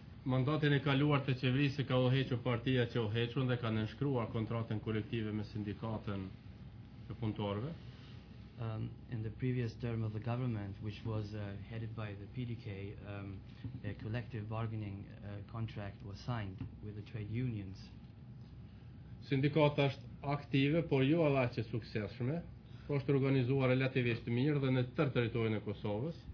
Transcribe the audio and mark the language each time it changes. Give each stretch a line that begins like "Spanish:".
Albanian: Mandatin e kaluar të qeverisë ka ohequr partia që ohequn dhe kanë nënshkruar kontratën kolektive me sindikatën e punëtorëve.
English: In the previous term of the government, which was headed by the PDK, a collective bargaining contract was signed with the trade unions.
Albanian: Sindikata është aktive, por jo edhe aq e suksesshme. Është organizuar relativisht mirë dhe në tërë territorin e Kosovës.